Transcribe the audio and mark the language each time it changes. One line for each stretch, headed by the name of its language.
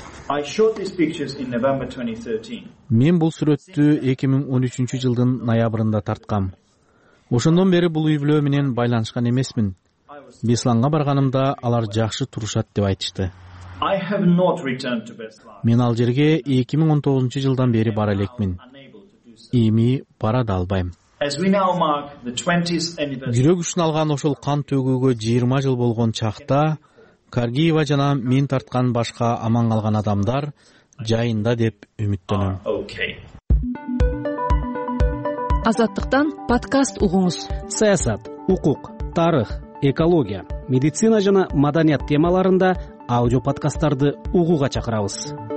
English: I shot these pictures in November 2013.
Kyrgyz: Мен бул сүрөттү 2013 жылдын ноябрында тарткам. Ошондон бери бул үй-бүлө менен байланышкан эмесмин. Бесланга барганымда алар жакшы турушат деп айтышты.
English: I have not returned to Beslan.
Kyrgyz: Мен ал жерге 2019 жылдан бери бара элекмин. Эми бара да албайм.
English: As we now mark the 20th anniversary.
Kyrgyz: Жүрөк үчүн алган ошол кан төгүүгө 20 жыл болгон чакта Каргиева жана мен тарткан башка аман калган адамдар жайында деп үмүттөнөм. Азаттыктан подкаст угуңуз. Саясат, укук, тарых, экология, медицина жана маданият темаларында аудио подкасттарды угууга чакырабыз.